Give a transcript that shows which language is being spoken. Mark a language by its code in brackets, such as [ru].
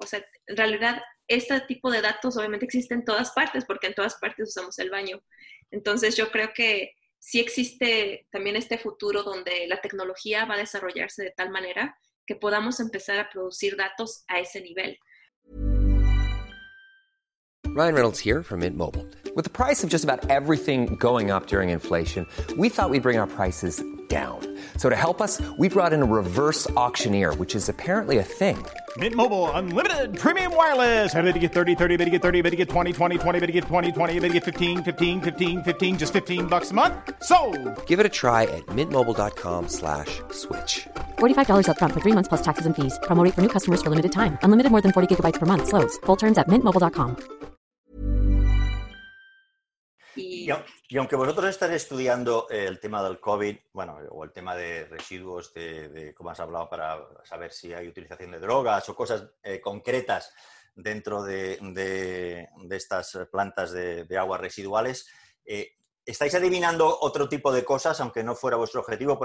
[es] O sea, en realidad, este tipo de datos obviamente existe en todas partes, porque en todas partes usamos el baño. Entonces, yo creo que sí existe también este futuro donde la tecnología va a desarrollarse de tal manera que podamos empezar a producir datos a ese nivel. [en] Ryan Reynolds here from Mint Mobile. With the price of just about everything going up during inflation, we thought we'd bring our prices down. So to help us, we brought in a reverse auctioneer, which is apparently a thing. Mint Mobile Unlimited Premium Wireless. How to get 30, 30, how to get 30, how to get 20, 20, 20, how to get 20, 20, how to get 15, 15, 15, 15, just $15 a month? Sold! Give it a try at mintmobile.com/switch. $45 up front for 3 months plus taxes and fees. Promo rate for new customers for limited time. Unlimited more than 40 gigabytes per month. Slows full terms at mintmobile.com. [es] Y aunque vosotros estáis estudiando el tema del COVID, bueno, o el tema de residuos, de como has hablado, para saber si hay utilización de drogas o cosas concretas dentro de estas plantas de aguas residuales, ¿estáis adivinando otro tipo de cosas, aunque no fuera vuestro objetivo?